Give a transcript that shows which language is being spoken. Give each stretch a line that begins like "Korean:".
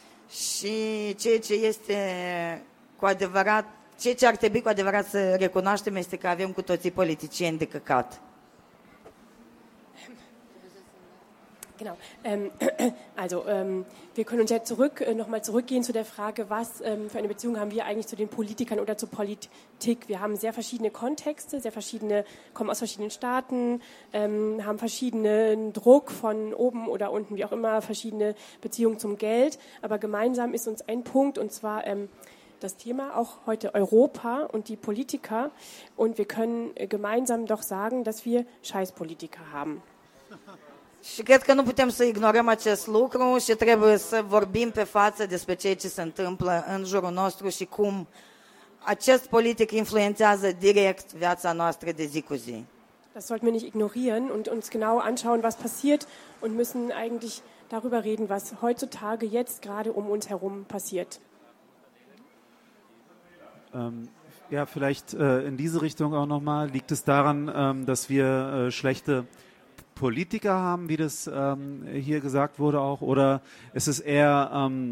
Romanian: Și ceea ce este cu adevărat, ceea ce ar trebui cu adevărat să recunoaștem este că avem cu toții politicieni de căcat.
German: Genau. Wir können uns ja nochmal zurückgehen zu der Frage, was für eine Beziehung haben wir eigentlich zu den Politikern oder zur Politik. Wir haben sehr verschiedene Kontexte, sehr verschiedene, kommen aus verschiedenen Staaten, haben verschiedenen Druck von oben oder unten, wie auch immer, verschiedene Beziehungen zum Geld. Aber gemeinsam ist uns ein Punkt, und zwar das Thema, auch heute Europa und die Politiker. Und wir können gemeinsam doch sagen, dass wir Scheißpolitiker haben.
Romanian: Și cred că nu putem să ignorăm acest lucru și trebuie să vorbim pe față despre ceea ce se întâmplă în jurul nostru și cum acest politic influențează direct viața noastră de zi cu zi.
German: Das sollten wir nicht ignorieren und uns genau anschauen, was passiert und müssen eigentlich darüber reden, was heutzutage jetzt gerade um uns herum passiert. Ja, vielleicht in diese Richtung auch nochmal. Liegt es daran, dass wir schlechte Politiker haben, wie das hier gesagt wurde auch, oder ist es eher,